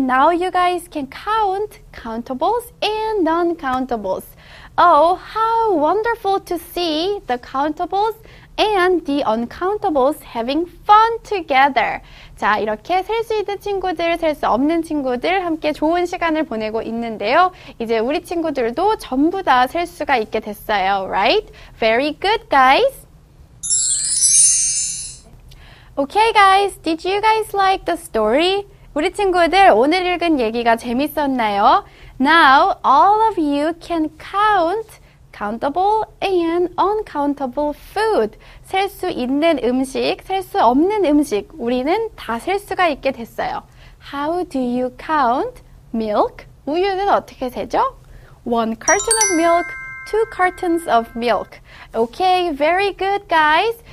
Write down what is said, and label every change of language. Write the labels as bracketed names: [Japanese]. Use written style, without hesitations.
[English] Now you guys can count countables and non-countables. Oh, how wonderful to see the countables and the uncountables having fun together. [Korean] 자, 이렇게 셀 수 있는 친구들, 셀 수 없는 친구들 함께 좋은 시간을 보내고 있는데요. 이제 우리 친구들도 전부 다 셀 수가 있게 됐어요. [English] Right? Very good, guys. Okay, guys. Did you guys like the story? [Korean] 우리 친구들, 오늘 읽은 얘기가 재밌었나요? [English] Now, all of you can count countable and uncountable food. [Korean] 셀 수 있는 음식, 셀 수 없는 음식, 우리는 다 셀 수가 있게 됐어요. [English] How do you count milk? [Korean] 우유는 어떻게 세죠? [English] One carton of milk, two cartons of milk. Okay, very good, guys.